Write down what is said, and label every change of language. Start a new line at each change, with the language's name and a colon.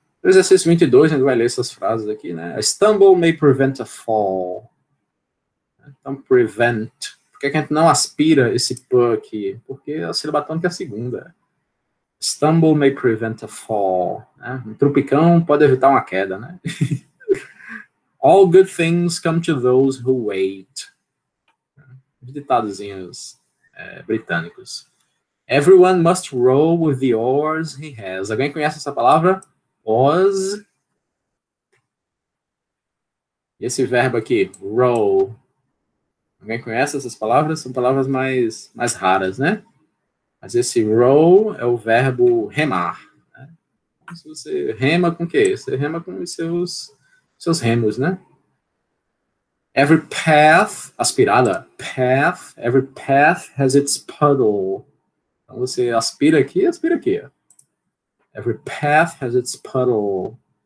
Portuguese: No exercício 22, a gente vai ler essas frases aqui, né? A stumble may prevent a fall. Então, prevent. Por que a gente não aspira esse p aqui? Porque a sílaba tônica é a segunda.
English: Stumble may prevent a fall. Né?
Portuguese: Um trupicão pode evitar uma queda, né?
English: All good things come to those who wait.
Portuguese: Ditadozinhos britânicos.
English: Everyone must row with the oars he has.
Portuguese: Alguém conhece essa palavra? Oars. E esse verbo aqui, row. Alguém conhece essas palavras? São palavras mais raras, né? Mas esse row é o verbo remar. Né? Se você rema com o quê? Você rema com os seus remos, né?
English: Every path, aspirada, path, every path has its puddle.
Portuguese: Então você aspira aqui, aspira aqui.
English: Every path has its puddle.